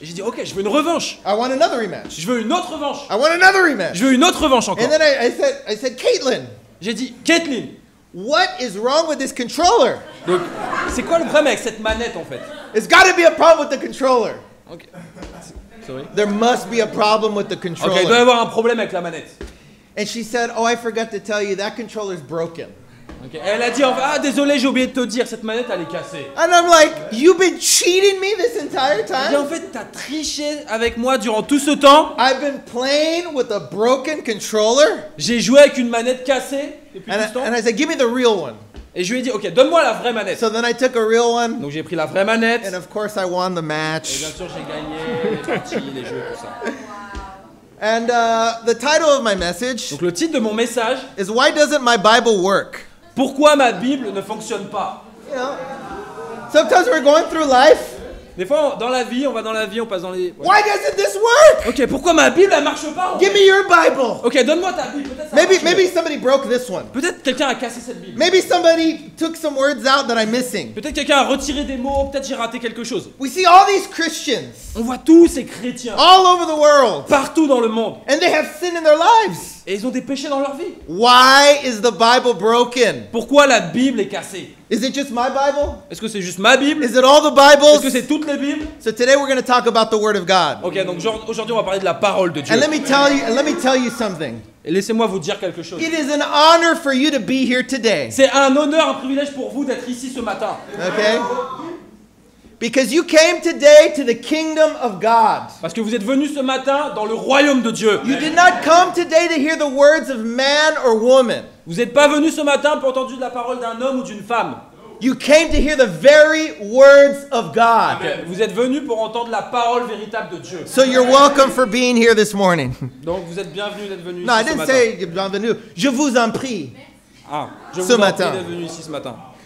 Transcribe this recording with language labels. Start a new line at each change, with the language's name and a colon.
French: Et j'ai dit ok, je veux une revanche.
English: I want another rematch.
French: Je veux une autre revanche.
English: I want another rematch.
French: Je veux une autre revanche encore.
English: And then I said Caitlin.
French: J'ai dit Caitlin.
English: What is wrong with this controller?
French: Donc c'est quoi le problème avec cette manette en fait?
English: It's got to be a problem with the controller. Ok. There must be a problem with the controller.
French: Okay, il doit y avoir un problème avec la manette.
English: And she said, "Oh, I forgot to tell you, that controller is broken." Okay.
French: Elle a dit, "Ah, désolé, j'ai oublié de te dire, cette manette elle est cassée."
English: And I'm like, "You've been cheating me this entire time?"
French: Et en fait, t'as triché avec moi durant tout ce temps.
English: I've been playing with a broken controller.
French: J'ai joué avec une manette cassée depuis tout ce temps.
English: And I said, "Give me the real one."
French: Et je lui ai dit, ok, donne-moi la vraie manette.
English: So then I took a real one.
French: Donc j'ai pris la vraie manette.
English: And of course I won the match.
French: Et bien sûr j'ai gagné les parties, les jeux, tout ça.
English: And the title of my message.
French: Donc le titre de mon message.
English: Is why doesn't my Bible work?
French: Pourquoi ma Bible ne fonctionne pas?
English: You know, sometimes we're going through life.
French: Des fois dans la vie, on va dans la vie, on passe dans les. Ouais.
English: Why doesn't this work?
French: Ok, pourquoi ma Bible elle marche pas?
English: Give me your Bible.
French: Ok, donne-moi ta Bible. Ça
English: maybe somebody broke this one.
French: Peut-être quelqu'un a cassé cette Bible.
English: Maybe somebody took some words out that I'm missing.
French: Peut-être quelqu'un a retiré des mots. Peut-être j'ai raté quelque chose.
English: We see all these Christians.
French: On voit tous ces chrétiens.
English: All over the world.
French: Partout dans le monde.
English: And they have sin in their lives.
French: Et ils ont des péchés dans leur vie.
English: Why is the Bible broken?
French: Pourquoi la Bible est cassée?
English: Is it just my Bible?
French: Est-ce que c'est juste ma Bible?
English: Is it all the Bibles?
French: Est-ce que c'est toutes les Bibles?
English: So today we're going to talk about the Word of God.
French: Ok, donc aujourd'hui on va parler de la parole de Dieu.
English: And let me tell you something.
French: Et laissez-moi vous dire quelque chose.
English: It is an honor for you to be here today.
French: C'est un honneur, un privilège pour vous d'être ici ce matin.
English: Okay. Because you came today to the kingdom of God.
French: Parce que vous êtes venu ce matin dans le royaume de Dieu.
English: You did not come today to hear the words of man or woman.
French: Vous n'êtes pas venu ce matin pour entendre la parole d'un homme ou d'une femme.
English: You came to hear the very words of God. Okay.
French: Vous êtes venu pour entendre la parole véritable de Dieu.
English: So you're welcome for being here this morning.
French: Donc vous êtes bienvenu d'être venu.
English: No,
French: ici
English: I didn't
French: ce matin. Say bienvenue. Je vous en prie. Ah, je ce vous matin. En prie d'être venu ici ce matin.